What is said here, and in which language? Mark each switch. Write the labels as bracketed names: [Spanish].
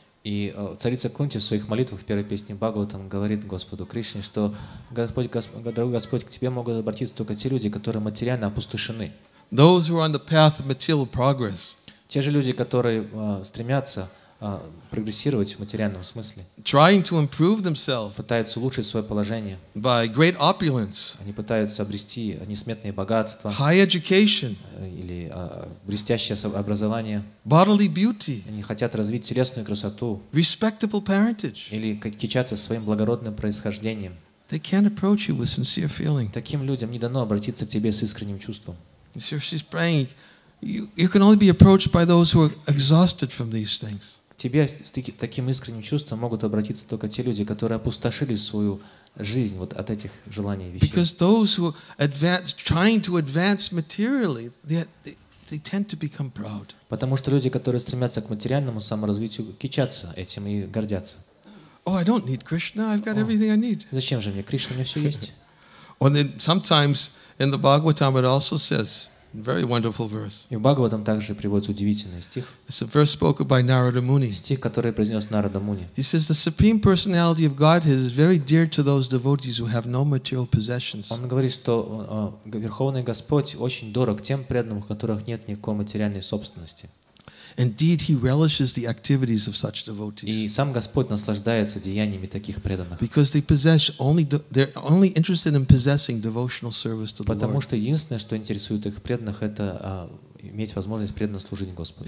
[Russian] И царица Кунти в своих молитвах в первой песне Бхагаватам говорит Господу Кришне, что Господь, к тебе могут обратиться только те люди, которые материально опустошены. [English] Those who are on the path of material progress. [Russian] Те же люди, которые стремятся прогрессировать в материальном смысле. [English] Trying to improve themselves. [Russian] Пытаются улучшить свое положение. [English] By great opulence. [Russian] Они пытаются обрести несметные богатства. [English] High education. [Russian] Или блестящее образование. [English] Bodily beauty. [Russian] Они хотят развить телесную красоту. [English] Respectable parentage. [Russian] Или кичаться своим благородным происхождением. [English] They can't approach you with sincere feeling. [Russian] Таким людям не дано обратиться к тебе с искренним чувством. [English] So she's praying. You can only be approached by those who are exhausted from these things. [Russian] Тебе с таким искренним чувством могут обратиться только те люди, которые опустошили свою жизнь вот от этих желаний и вещей. [English] Because those who advance, trying to advance materially, they tend to become proud. [Russian] Потому что люди, которые стремятся к материальному саморазвитию, кичатся этим и гордятся. [English] Oh, I don't need Krishna. I've got everything I need. [Russian] Зачем же мне Кришна? У меня все есть. [English] And then sometimes in the Bhagavatam it also says. Very wonderful verse. [Russian] И в Бхагаватам также приводится удивительный стих. [English] It's a verse spoken by Narada Muni. [Russian] Стих, который произнес Нарада Муни. [English] He says the supreme personality of Godhead is very dear to those devotees who have no material possessions. [Russian] Он говорит, что Верховный Господь очень дорог тем преданным, у которых нет никакой материальной собственности. [English] Indeed, he relishes the activities of such devotees. [Russian] И сам Господь наслаждается деяниями таких преданных. [English] Because they possess only they're only interested in possessing devotional service to the Lord. [Russian] Потому что единственное, что интересует их преданных, это иметь возможность преданно служить Господу.